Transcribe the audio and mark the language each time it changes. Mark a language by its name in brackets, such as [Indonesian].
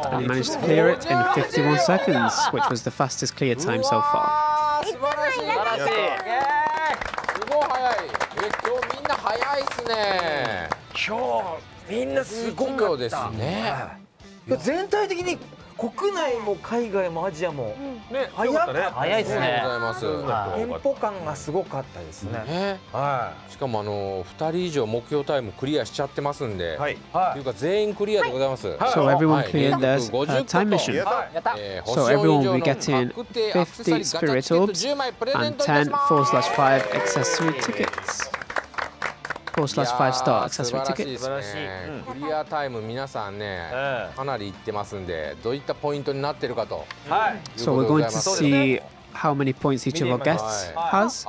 [Japanese] かな。 [English] He managed to clear it in 51 seconds, which was the fastest clear time so far. [Japanese] 素晴らしい。素晴らしい。すごい早い。今日みんな早いっすね。今日みんなすごかった。秒ですね。全体的に国内も海外もアジアも、ね、早かったね。早いですね。ありがとうございます。テンポ感がすごかったですね、はい、しかも2人以上目標タイムクリアしちゃってますんで、はい、というか全員クリアでございます、はい、 [English] So everyone cleared their time mission、So everyone will get in 50 spirit orbs and 10 4/5 accessory ticketsfour/5 star accessory ticket。 [Japanese] 素晴らしいですね。クリアタイム皆さんね、かなりいってますんで、どういったポイントになってるかと。はい。 [English] So we're going to see how many points each of our guests has。